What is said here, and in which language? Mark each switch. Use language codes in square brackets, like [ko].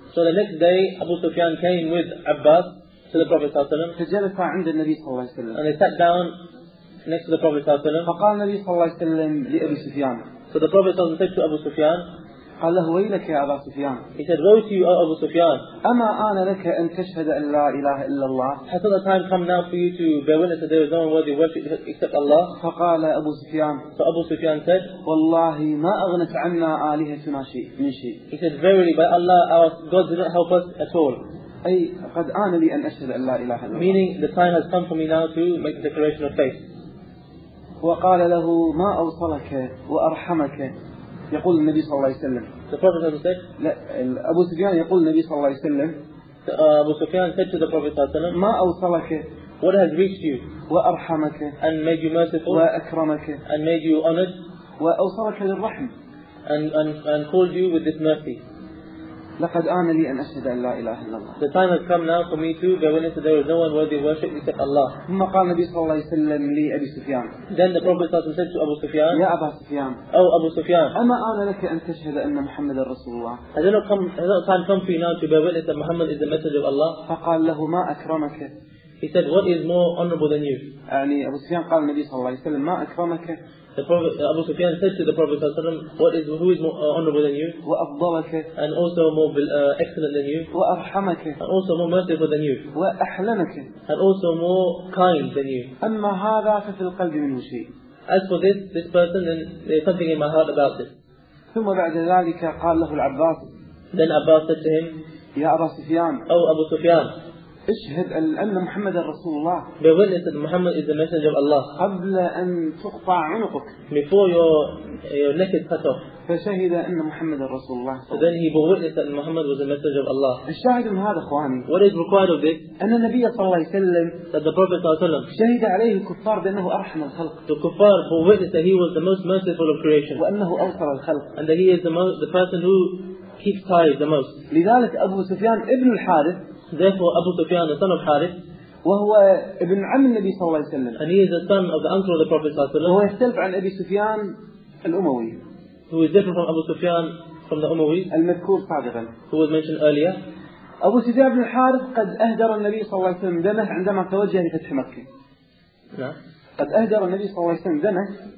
[en] So the next day Abu Sufyan came with Abbas. To the Prophet صلى الله عليه وسلم. [ar] فجلس عند النبي صلى الله عليه وسلم. [en] And he sat down next to the Prophet صلى الله عليه وسلم. [ar] فقال النبي صلى الله عليه وسلم لأبي سفيان. [en] So the Prophet صلى الله عليه وسلم said to Abu Sufyan. [ar] قال له ويلك يا أبا سفيان. [en] He said, woe to you, O Abu Sufyan. [ar] أما أنا لك أن تشهد أن لا إله إلا الله. [en] Has the time come now for you to bear witness that there is no one worthy of worship except Allah? [ar] فقال أبو سفيان. [en] So Abu Sufyan said, [ar] والله ما أغنت عنا آلهتنا شيء من شيء. [en] He said, verily by Allah, our God did not help us at all. [ar] أي قد آن لي أن أشهد أن لا إله إلا الله. [en] Meaning the time has come for me now to make a declaration of faith. [ar] وقال له ما أوصلك وأرحمك. يقول النبي صلى الله عليه وسلم. [en] The Prophet صلى الله عليه [ar] وسلم. لا أبو سفيان يقول النبي صلى الله عليه وسلم. [en] Abu Sufyan said to the Prophet صلى الله عليه وسلم. [ar] ما أوصلك. [en] What has reached you. [ar] وأرحمك. [en] And made you merciful. [ar] وأكرمك. [en] And made you honored. [ar] وأوصلك للرحم. [en] And called you with this mercy. [ar] لقد آن لي أن أشهد أن لا إله إلا الله. [en] The time has come now for me to bear witness that there is no one worthy of worship except Allah. [ar] ثم قال النبي صلى الله عليه وسلم لي أبي سفيان. [en] Then the Prophet said to Abu Sufyan. [ar] يا أبا سفيان. [en] Oh Abu Sufyan. [ar] أما آن لك أن تشهد أن محمد رسول الله. [en] Has not time come for you now to bear witness that Muhammad is the Messenger of Allah? [ar] فقال له ما أكرمك. [en] He said, "What is more honorable than you?" [ar] يعني أبو سفيان قال النبي صلى الله عليه وسلم ما أكرمك. [en] The Prophet Abu Sufyan said to the Prophet صلى الله عليه وسلم, "What is who is more honorable than you?" [ar] وأفضلك. [en] And also more excellent than you. [ar] وأرحمك. [en] And also more merciful than you. [ar] وأحلمك. [en] And also more kind than you. [ar] أما هذا ففي القلب منه شيء. [en] As for this person, then there's something in my heart about this. [ar] ثم بعد ذلك قال له العباس. [en] Then Abbas said to him, [ar] يا أبا سفيان. [en] Oh Abu Sufyan. [ar] اشهد أن محمد رسول الله. [en] Be witness that Muhammad is the messenger of Allah. [ar] قبل أن تقطع عنقك. [en] Before your neck is cut off. [ar] فشهد أن محمد رسول الله. [en] So then he bore witness that Muhammad was the messenger of Allah. [ar] الشاهد من هذا إخواني. [en] What is required of this? [ar] أن النبي صلى الله عليه وسلم. [en] That the Prophet صلى الله عليه وسلم. [ar] شهد عليه الكفار بأنه أرحم الخلق. [en] The kuffar bore witness that he was the most merciful of creation. [ar] وأنه أوثر الخلق. [en] And that he is the person who keeps ties the most. [ar] لذلك أبو سفيان ابن الحارث. [en] Therefore, Abu Sufyan, the son of Harith, [ar] وهو ابن عم النبي صلى الله عليه وسلم, [en] and he is the son of the uncle of the Prophet صلى الله عليه وسلم. [ar] وهو يختلف عن أبي سفيان الأموي, [en] who is different from Abu Sufyan from the Umayyid, [ar] المذكور سابقا, [en] who was mentioned earlier. [ar] أبو سفيان بن الحارث قد أهدر النبي صلى الله عليه وسلم دمه عندما توجه لفتح مكة. قد أهدر النبي صلى الله عليه وسلم دمه.